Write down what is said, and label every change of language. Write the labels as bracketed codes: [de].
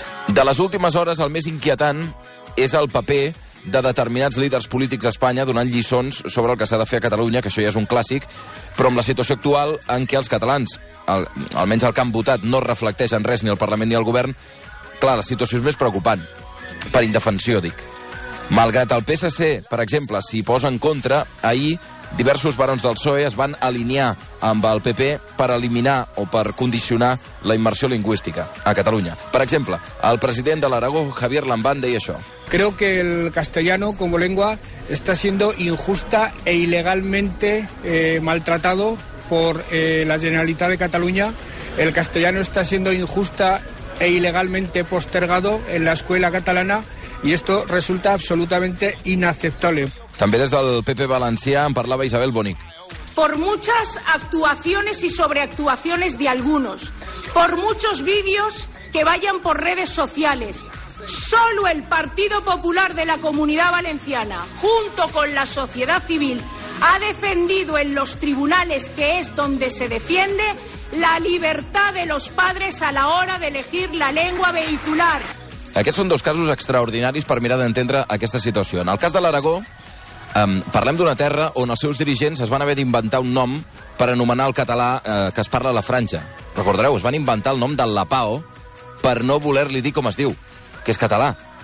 [ca] De les últimes hores, el més inquietant és el paper de determinats líders polítics a Espanya donant lliçons sobre el que s'ha de fer a Catalunya, que això ja és un clàssic, però amb la situació actual en què els catalans, almenys el que han votat, no reflecteix en res ni el Parlament ni el govern, clar, la situació és més preocupant, per indefensió, dic. Malgrat el PSC, per exemple, s'hi posa en contra, ahir diversos barons del PSOE es van alinear amb el PP per eliminar o per condicionar la immersió lingüística a Catalunya. Per exemple, el president de l'Aragó, Javier Lambán, deia això. [es] Creo que el castellano como lengua está siendo injusta e ilegalmente maltratado por la Generalitat de Catalunya. El castellano está siendo injusta e ilegalmente postergado en la escuela catalana y esto resulta absolutamente inaceptable. [ca] També des del PP valencià en parlava Isabel Bonic. [es] Por muchas actuaciones y sobreactuaciones de algunos, por muchos vídeos que vayan por redes sociales, solo el Partido Popular de la Comunidad Valenciana, junto con la sociedad civil, ha defendido en los tribunales, que es donde se defiende, la libertad de los padres a la hora de elegir la lengua vehicular. [ca] Aquests són dos casos extraordinaris per mirar d'entendre aquesta situació. En el cas de l'Aragó, parlem d'una terra on els seus dirigents es van haver d'inventar un nom per anomenar el català que es parla a la franja. Recordareu, es van inventar el nom del Lapao per no voler-li dir com es diu, que és català.